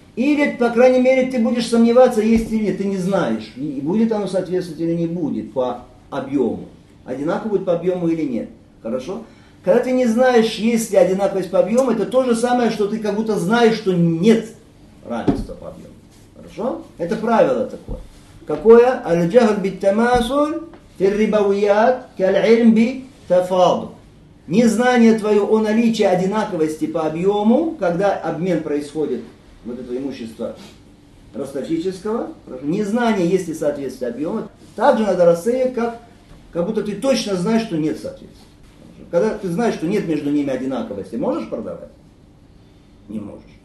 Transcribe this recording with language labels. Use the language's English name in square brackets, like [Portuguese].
[Russian] Или, по крайней мере, ты будешь сомневаться, есть или нет, ты не знаешь, будет оно соответствовать или не будет по объему. Одинаково будет по объему или нет. Хорошо? Когда ты не знаешь, есть ли одинаковость по объему, это то же самое, что ты как будто знаешь, что нет равенства по объему. Хорошо? Это правило такое. Какое? [Arabic] Аль-джахль биттамасуль في الربويات كالعلم بتفاضل. [Russian] Незнание твое о наличии одинаковости по объему, когда обмен происходит, вот это имущество ростовщического, незнание, есть ли соответствие объема, также надо расценивать, как будто ты точно знаешь, что нет соответствия. Когда ты знаешь, что нет между ними одинаковости, можешь продавать? Не можешь.